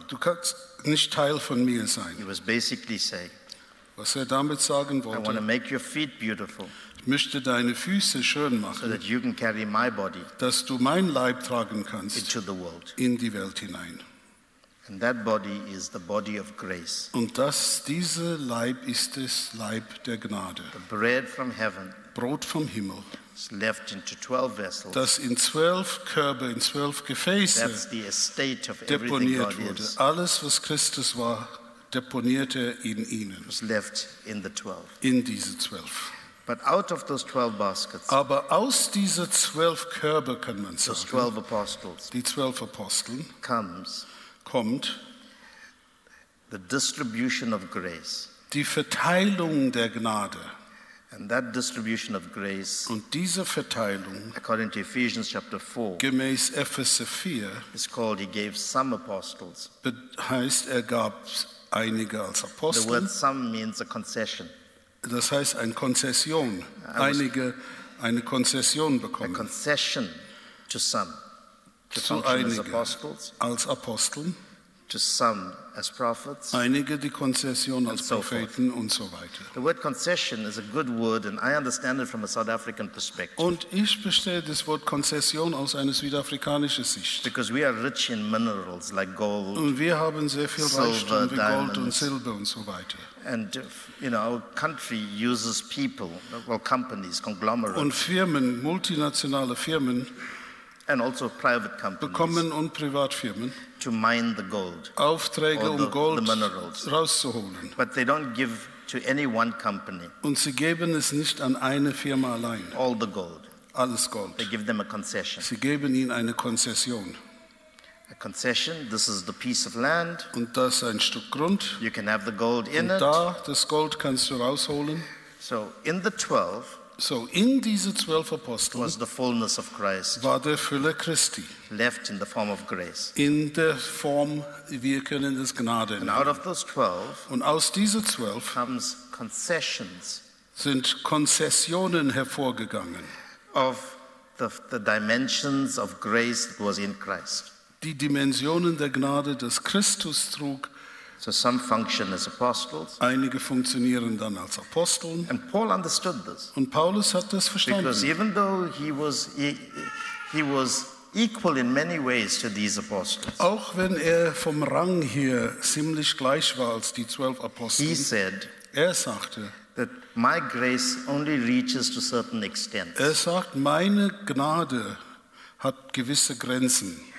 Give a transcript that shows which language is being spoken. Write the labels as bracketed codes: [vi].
[de] Du kannst nicht Teil von mir sein. [en] He was basically saying, [de] was er damit sagen wollte, [en] I want to make your feet beautiful. [de] Ich möchte deine Füße schön machen, [en] so that you can carry my body, [de] dass du mein Leib tragen kannst, [en] into the world. [de] In die Welt hinein. [en] And that body is the body of grace. [de] Und das, dieser Leib ist das Leib der Gnade. [en] The bread from heaven, [de] Brot vom Himmel, [en] is left into 12 vessels, [de] das in 12 Körbe, in 12 Gefäße, [en] that's the estate of [de] deponiert [en] everything God [de] wurde. [en] Is. [de] Alles, was Christus war, deponierte in ihnen. [en] Was left in the 12. [de] In diese 12. [en] But out of those 12 baskets, [de] aber aus dieser 12 Körbe, kann man sagen, [en] those 12 apostles, [de] die 12 Aposteln, [en] comes, [de] kommt [en] the distribution of grace, [de] die Verteilung der Gnade, [en] and that distribution of grace, [de] und diese Verteilung, [en] according to Ephesians chapter 4, [de] gemäß Epheser 4, [en] is called he gave some apostles, [de] heißt er gab einige als Apostel. [en] The word some means a concession. [de] Das heißt eine Konzession, einige eine Konzession bekommen. [en] A concession to some. [de] Zu einigen als Aposteln, [en] to some as prophets, [de] einige die Konzession als Propheten und so weiter. [en] The word concession is a good word, and I understand it from a South African perspective. [de] Und ich verstehe das Wort Konzession aus einer südafrikanischen Sicht. [en] Because we are rich in minerals like gold, [de] und wir haben sehr viel Reichtum wie Gold und Silber und so weiter. [en] And you know, our country uses people, well, companies, conglomerates. [de] Und Firmen, multinationale Firmen. [en] And also private companies [de] bekommen und Privatfirmen [en] to mine the gold, [de] Aufträge [en] the, [de] um Gold [en] the minerals [de] rauszuholen, [en] but they don't give to any one company, [de] und sie geben es nicht an eine Firma allein, [en] all the gold, [de] alles Gold, [en] they give them a concession, [de] sie geben ihnen eine Konzession, [en] a concession, this is the piece of land, [de] und das ein Stück Grund, [en] you can have the gold [de] und [en] in [de] da, [en] it, [de] da das Gold kannst du rausholen. [en] So in the 12, [de] so in diese 12 Aposteln, [en] was the fullness of Christ, [de] war der Fülle Christi, [en] left in the form of grace, [de] in der Form, wir können das Gnade nennen. [en] And out of those 12, [de] und aus dieser 12 [en] comes concessions, [de] sind Konzessionen hervorgegangen, [en] of the dimensions of grace that was in Christ, [de] die Dimensionen der Gnade, das Christus trug. [en] So some function as apostles. [de] Einige funktionieren dann als Aposteln. [en] And Paul understood this. [de] Und Paulus hat das verstanden. [en] Because even though he was equal in many ways to these apostles. [de] Auch wenn er vom Rang hier ziemlich gleich war als die 12 Aposteln. [en] He said. [de] Er sagte. [en] That my grace only reaches to certain extent. [de] Er sagt, meine Gnade hat gewisse Grenzen.